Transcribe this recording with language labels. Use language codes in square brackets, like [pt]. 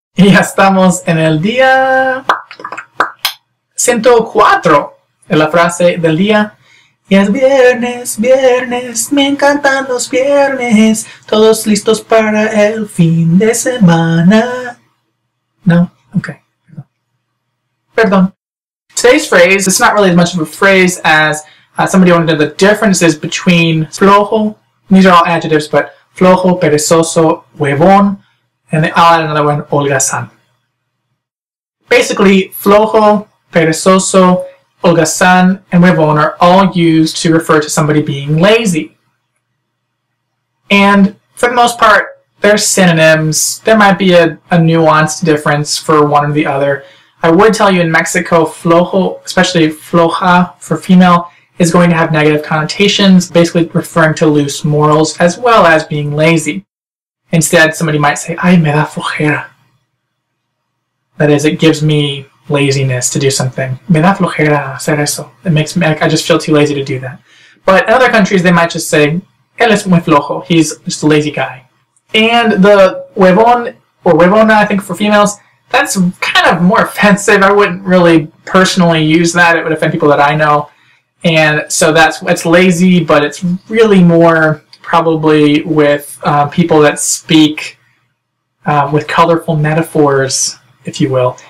[es] Y ya estamos en el día 104 en la frase del día. Ya es viernes, viernes, me encantan los viernes, todos listos para el fin de semana. No? Okay. Perdón. [en] Today's phrase, it's not really as much of a phrase as somebody wanted to know the differences between flojo, these are all adjectives, but flojo, perezoso, huevón, and I'll add another one, holgazán. Basically, flojo, perezoso, holgazán, and huevón are all used to refer to somebody being lazy. And for the most part, they're synonyms. There might be a nuanced difference for one or the other. I would tell you in Mexico, flojo, especially floja for female, is going to have negative connotations, basically referring to loose morals as well as being lazy. Instead, somebody might say, [es] ay, me da flojera. [en] That is, it gives me laziness to do something. [es] Me da flojera hacer eso. [en] It makes me, I just feel too lazy to do that. But in other countries, they might just say, [es] él es muy flojo. [en] He's just a lazy guy. And the huevón or huevona, I think, for females, that's kind of more offensive. I wouldn't really personally use that. It would offend people that I know. And so that's, it's lazy, but it's really more probably with people that speak with colorful metaphors, if you will.